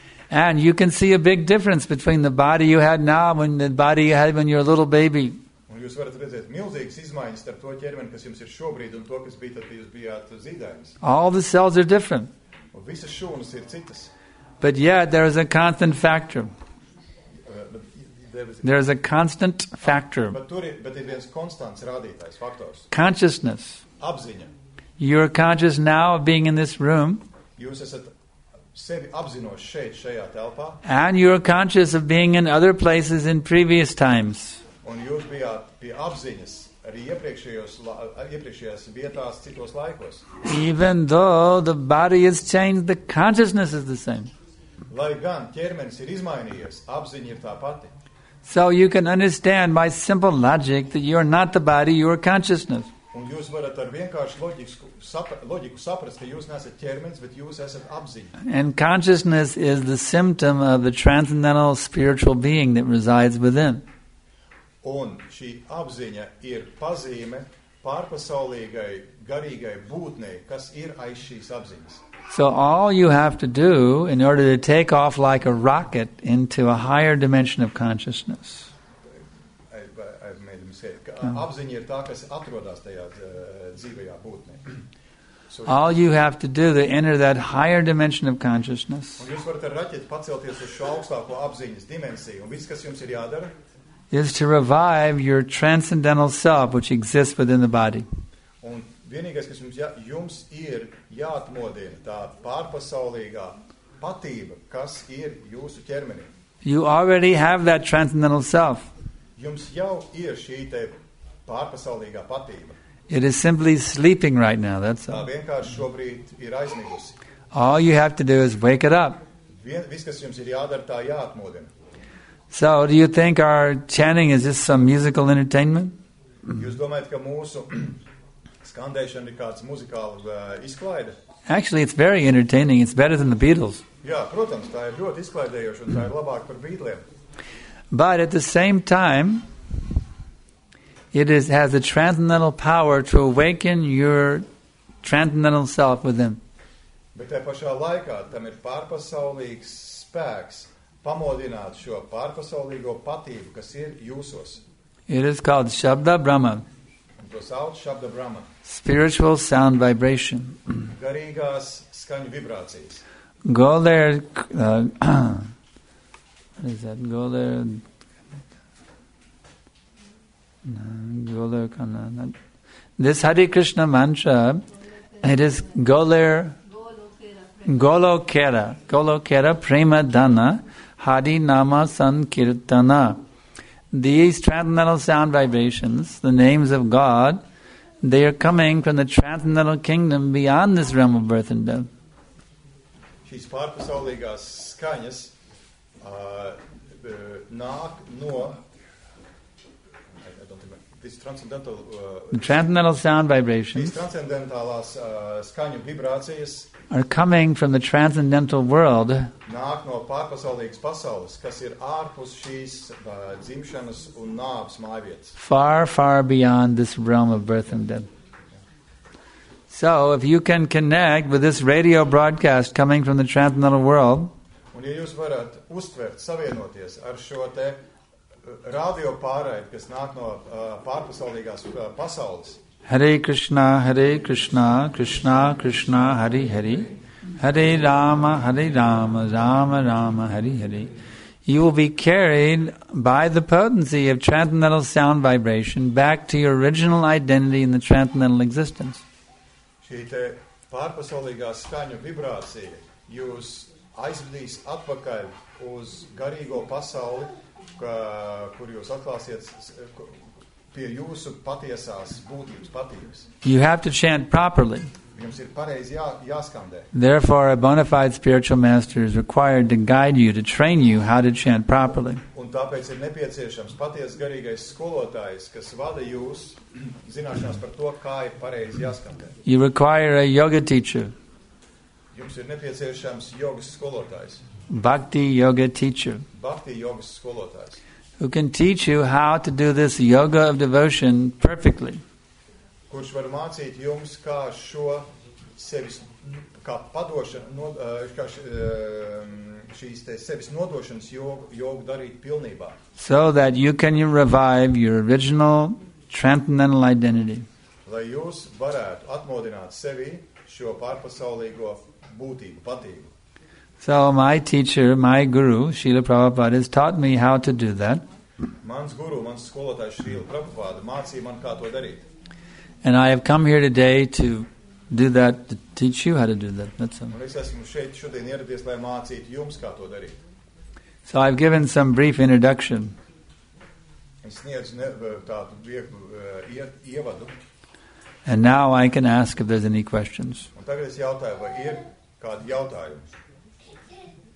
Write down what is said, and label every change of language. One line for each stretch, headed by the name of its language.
English: And you can see a big difference between the body you had now and the body you had when you were a little baby.
Latvian: Un jūs varat redzēt milzīgas izmaiņas starp to ķermeni, kas jums ir šobrīd, un to, kas bija, tad jūs bijāt zīdainis.
English: All the cells are different.
Latvian: Un visas šūnas ir citas.
English: But yet, there is a constant factor. There is a constant factor.
Latvian: Bet ir viens konstants rādītājs, faktors.
English: Consciousness.
Latvian: Apziņa.
English: You are conscious now of being in this room.
Latvian: Jūs esat sevi apzinoši šeit, šajā telpā.
English: And you are conscious of being in other places in previous times.
Latvian: Un jūs bijāt pie apziņas arī iepriekšējās vietās citos laikos.
English: Even though the body has changed, the consciousness is the same.
Latvian: Lai gan ķermenis ir izmainījies, apziņa ir tā pati.
English: So you can understand by simple logic that you are not the body, you are consciousness.
Latvian: Un jūs varat ar vienkāršu loģiku saprast, ka jūs neesat ķermenis, bet jūs esat apziņa.
English: And consciousness is the symptom of the transcendental spiritual being that resides within.
Latvian: Un šī apziņa ir pazīme pārpasaulīgai, garīgai būtnei, kas ir aiz šīs apziņas.
English: So all you have to do in order to take off like a rocket into a higher dimension of consciousness.
Latvian: Apziņa ir tā, kas atrodas tajā dzīvajā būtnē.
English: All you have to do to enter that higher dimension of consciousness.
Latvian: Un jūs varat ar raķeti pacelties uz šo augstāko apziņas dimensiju, un viss, kas jums ir jādara,
English: is to revive your transcendental self, which exists within the body.
Latvian: Un vienīgais, kas jums ir jāatmodina, tā pārpasaulīgā patība, kas ir jūsu ķermenī.
English: You already have that transcendental self.
Latvian: Jums jau ir šī te pārpasaulīgā patība.
English: It is simply sleeping right now, that's all.
Latvian: Tā vienkārši šobrīd ir aizmigusi.
English: All you have to do is wake it up.
Latvian: Viss, kas jums ir jādara, tā jāatmodina.
English: So, do you think our chanting is just some musical entertainment?
Latvian: Jūs domājat, ka mūsu skandēšana ir kāds muzikāls izklaide?
English: Actually, it's very entertaining. It's better than the Beatles.
Latvian: Jā, protams, tā ir ļoti izklaidējoša un tā ir labāk par Beatlesiem.
English: But at the same time, it has a transcendental power to awaken your transcendental self within.
Latvian: Bet tajā pašā laikā tam ir pārpasaulīgs spēks pamodināt šo pārpasaulīgo patību, kas ir jūsos.
English: It is called Shabda Brahma.
Latvian: Un to sauc Shabda Brahma.
English: Spiritual sound vibration.
Latvian: Garīgās skaņu vibrācijas.
English: Go there. What is that? Go there. Go there. This Hare Krishna mantra, it is go there.
Bangla: Golokera. Golokera prema dana. Hari Nama Sankirtana.
English: These transcendental sound vibrations, the names of God, they are coming from the transcendental kingdom beyond this realm of birth and death.
Latvian: Šīs pārpasaulīgās skaņas, nāk no
English: this transcendental the transcendental sound vibrations
Latvian: transcendentālās skaņu vibrācijas
English: are coming from the transcendental world
Latvian: nāk no pārpasaulīgas pasaules kas ir ārpus šīs dzimšanas un nāves mājvietas
English: far far beyond this realm of birth and death. So, if you can connect with this radio broadcast coming from the transcendental world,
Latvian: un ja jūs varat uztvert, savienoties ar šo te radio pārraidi, kas nāk no pārpasaulīgās pasaules.
Sanskrit: Hare Krishna, Hare Krishna, Krishna Krishna, Hari Hari. Hare Rama, Hare Rama, Rama Rama, Hari Hari.
English: You will be carried by the potency of transcendental sound vibration back to your original identity in the transcendental existence.
Latvian: Šī te pārpasaulīgā skaņu vibrācija jūs aizvedīs atpakaļ uz garīgo pasauli, kur jūs atklāsiet pie jūsu patiesās būtības patības.
English: You have to chant properly.
Latvian: Jums ir pareizi jāskandē.
English: Therefore, a bona fide spiritual master is required to guide you, to train you how to chant properly.
Latvian: Un tāpēc ir nepieciešams paties garīgais skolotājs, kas vada jūs zināšanās par to, kā ir pareizi jāskandē.
English: You require a yoga teacher.
Latvian: Jums ir nepieciešams jogas skolotājs.
English: Bhakti yoga teacher.
Latvian: Bhakti yogas skolotājs.
English: Who can teach you how to do this yoga of devotion perfectly.
Latvian: Kurš var mācīt jums, kā šo sevis, kā padošanu, no, kā šīs te sevis nodošanas jogu darīt pilnībā.
English: So that you can revive your original transcendental identity.
Latvian: Lai jūs varētu atmodināt sevi šo pārpasaulīgo būtību, patību.
English: So my teacher, my guru, Srila Prabhupada, has taught me how to do that.
Latvian: Mans guru, mans skolotājs Srila Prabhupada, mācīja man, kā to darīt.
English: And I have come here today to do that, to teach you how to do that. That's all.
Latvian: Es esmu šeit šodien ieradies, lai mācītu jums, kā to darīt.
English: So I've given some brief introduction.
Latvian: Es sniedzu tādu vieglu ievadu.
English: And now I can ask if there's any questions.
Latvian: Un tagad es jautāju, vai ir kādi jautājumi.